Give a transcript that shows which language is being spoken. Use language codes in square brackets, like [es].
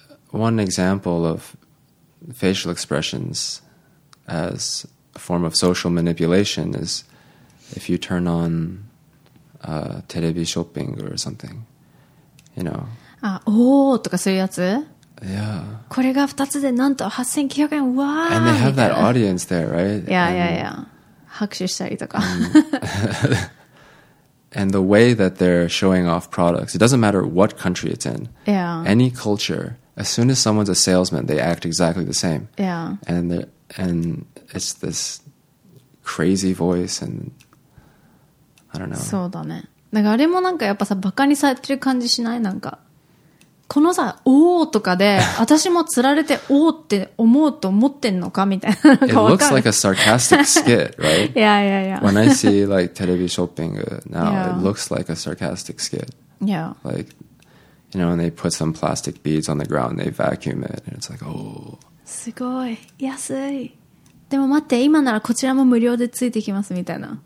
[en] One example of facial expressions as a form of social manipulation is if you turn on television shopping or something, you know. [ja] Ah, oh, とかそういうやつ? [en] Yeah. [ja] これが2つでなんと 8,900 円、わー! [en] And they have that audience there, right? Yeah, yeah, yeah. [ja] 拍手したりとか。 [en] And the way that they're showing off products, it doesn't matter what country it's in. Yeah. Any culture, as soon as someone's a salesman, they act exactly the same. Yeah. And it's this crazy voice and I don't know. [ja] そうだね。なんかあれもなんかやっぱさ、バカにされてる感じしない?なんか。このさ、おーとかで、私も釣られておーって思うと思ってんのかみたいな。 [en] It looks like a sarcastic skit, right? Yeah, yeah, yeah. When I see like television shopping now, yeah. It looks like a sarcastic skit. Yeah. Like, you know, when they put some plastic beads on the ground, they vacuum it, and it's like, oh. [ja] すごい。安い。でも待って、今ならこちらも無料でついてきますみたいな。